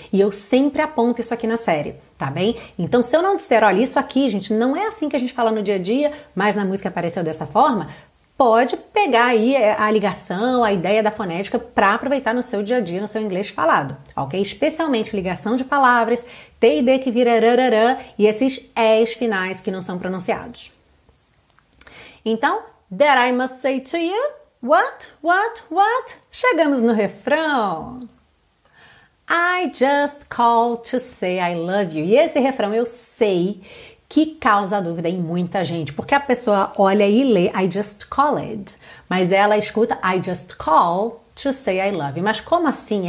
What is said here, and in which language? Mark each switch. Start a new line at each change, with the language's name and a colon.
Portuguese: E eu sempre aponto isso aqui na série, tá bem? Então, se eu não disser, olha, isso aqui, gente, não é assim que a gente fala no dia a dia, mas na música apareceu dessa forma, pode pegar aí a ligação, a ideia da fonética para aproveitar no seu dia a dia, no seu inglês falado, ok? Especialmente ligação de palavras, TD que vira rararã e esses S finais que não são pronunciados.
English: Então, that I must say to you, what?
Portuguese: Chegamos no refrão.
English: I just call to say I love you.
Portuguese: E esse refrão eu sei que causa dúvida em muita gente, porque a pessoa olha e lê
English: I just called,
Portuguese: mas ela escuta
English: I just call to say I love you.
Portuguese: Mas como assim?